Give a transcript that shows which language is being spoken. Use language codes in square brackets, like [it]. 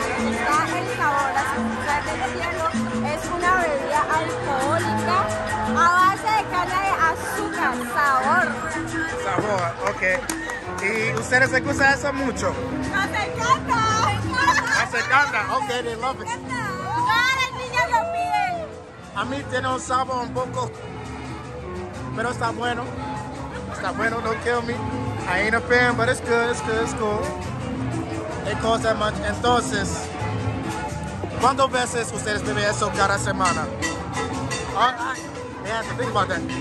[es] Está el sabor azúcar del cielo. Es una bebida alcohólica a base de caña de azúcar. Sabor. Sabor, ok. ¿Y ustedes se gusta eso mucho? ¡Nos encanta! ¡Nos encanta! [en] Ok, they love it. [es] ¡Todas las niñas lo piden! A mí tiene un sabor un poco... Pero está bueno. Está bueno, [en] don't kill me. I ain't a fan, but it's good, it's good, it's cool. It costs that much. [es] Entonces, ¿cuántas veces ustedes beben eso cada semana? [en] Alright, yeah, think about that.